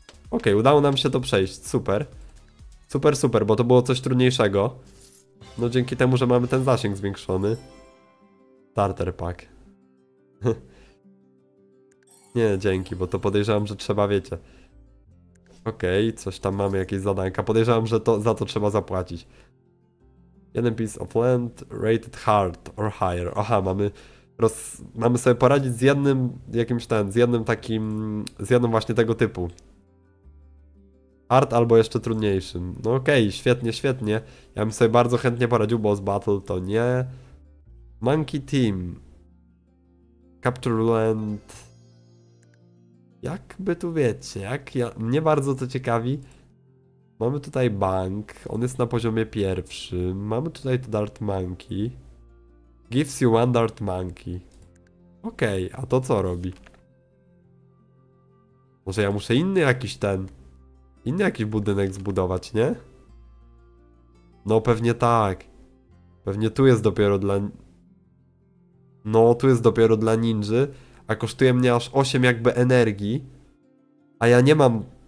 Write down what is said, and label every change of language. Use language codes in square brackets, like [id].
[pl] Okej, udało nam się to przejść, super. Super, super, bo to było coś trudniejszego. No dzięki temu, że mamy ten zasięg zwiększony. Starter pack. Nie, dzięki, bo to podejrzewam, że trzeba, wiecie. Okej, coś tam mamy, jakieś zadanka. Podejrzewam, że to za to trzeba zapłacić. [en] Jeden piece of land rated hard or higher. [pl] Aha, mamy sobie poradzić z jednym jakimś ten, z jednym takim, z jedną właśnie tego typu. Hard albo jeszcze trudniejszym. No okej, świetnie, świetnie. Ja bym sobie bardzo chętnie poradził, boss battle to nie. [en] Monkey team. Capture land. [pl] Jakby tu wiecie, jak ja... Mnie bardzo to ciekawi. Mamy tutaj bank. On jest na poziomie pierwszym. Mamy tutaj to dart monkey. [en] Gives you one dart monkey. [pl] Okej, a to co robi? Może ja muszę inny jakiś ten... Inny jakiś budynek zbudować, nie? No pewnie tak. Pewnie tu jest dopiero dla... No tu jest dopiero dla ninży. A kosztuje mnie aż 8 jakby energii. A ja nie mam...